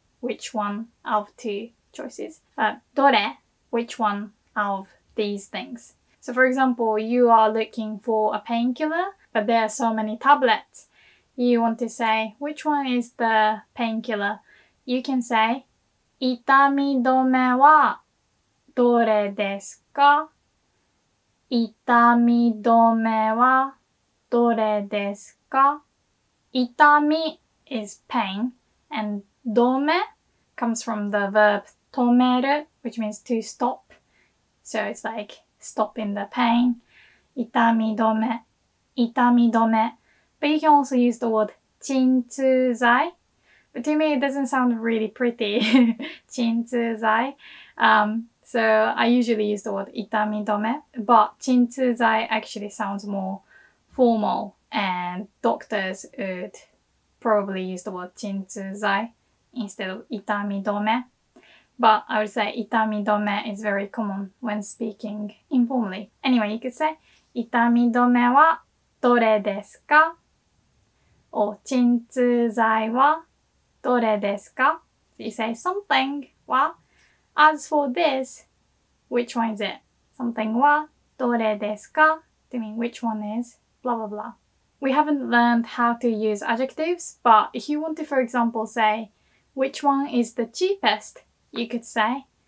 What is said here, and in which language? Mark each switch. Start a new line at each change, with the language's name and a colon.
English: which one of two choices. But どれ、 which one of these things. So for example, you are looking for a painkiller, but there are so many tablets. You want to say, which one is the painkiller? You can say,
Japanese: 痛み止めはどれですか? 痛み止めはどれですか?
English: 痛み is pain, and 止め comes from the verb 止める, which means to stop. So it's like,stopping the pain.
Japanese: 痛み止め痛み止め
English: But you can also use the word 鎮痛剤 But to me it doesn't sound really pretty. 鎮痛剤 So I usually use the word 痛み止め But 鎮痛剤 actually sounds more formal and doctors would probably use the word 鎮痛剤 instead of 痛み止めBut I would say 痛み止め is very common when speaking informally. Anyway, you could say
Japanese: 痛み止めはどれですか?Or 鎮痛剤はどれですか?
English: So you say something は As for this, which one is it? Something は
Japanese: どれですか?
English: To mean which one is blah blah blah. We haven't learned how to use adjectives, but if you want to, for example, say which one is the cheapest,You could say,